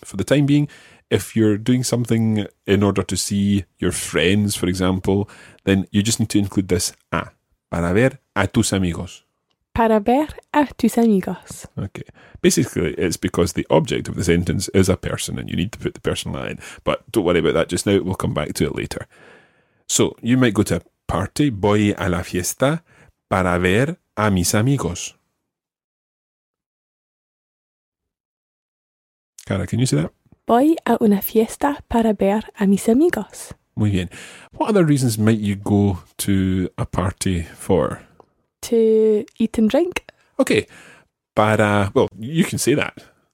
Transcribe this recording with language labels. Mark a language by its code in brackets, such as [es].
[en] For the time being, if you're doing something in order to see your friends, for example, then you just need to include this a. [es] Para ver a tus amigos. Para ver a tus amigos. [en] Okay. Basically, it's because the object of the sentence is a person and you need to put the personal a in. But don't worry about that just now. We'll come back to it later. So, you might go to a party. [es] Voy a la fiesta para ver a mis amigos. [en] Cara, can you see that? [es] Voy a una fiesta para ver a mis amigos. Muy bien. [en] What other reasons might you go to a party for? To eat and drink. Okay. Para, well, you can say that.